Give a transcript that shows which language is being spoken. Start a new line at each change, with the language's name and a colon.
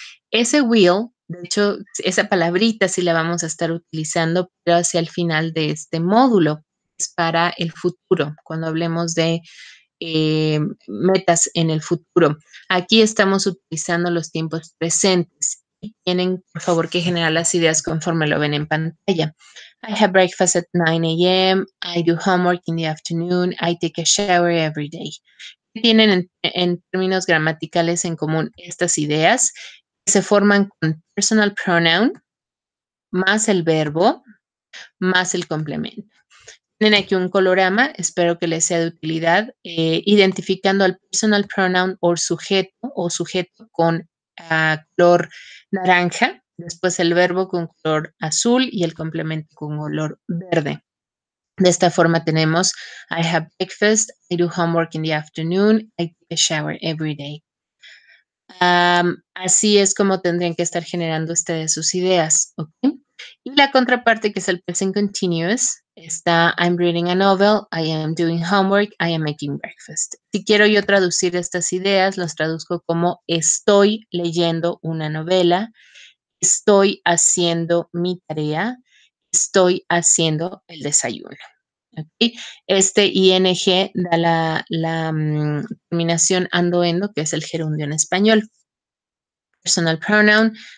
Spanish: Ese will, de hecho, esa palabrita sí la vamos a estar utilizando, pero hacia el final de este módulo, es para el futuro, cuando hablemos de metas en el futuro. Aquí estamos utilizando los tiempos presentes. Tienen, por favor, que generar las ideas conforme lo ven en pantalla.
English: I have breakfast at 9 a.m. I do homework in the afternoon. I take a shower every day.
Spanish: ¿Qué tienen en términos gramaticales en común estas ideas? Se forman con personal pronoun más el verbo más el complemento. Tienen aquí un colorama, espero que les sea de utilidad, identificando al personal pronoun o sujeto con color naranja, después el verbo con color azul y el complemento con color verde. De esta forma tenemos
English: I have breakfast, I do homework in the afternoon, I take a shower every day.
Spanish: Así es como tendrían que estar generando ustedes sus ideas, ¿ok? Y la contraparte, que es el
English: present continuous,
Spanish: está
English: I'm reading a novel, I am doing homework, I am making breakfast.
Spanish: Si quiero yo traducir estas ideas, las traduzco como estoy leyendo una novela, estoy haciendo mi tarea, estoy haciendo el desayuno. ¿Okay? Este ING da la terminación ando-endo, que es el gerundio en español. Personal pronoun.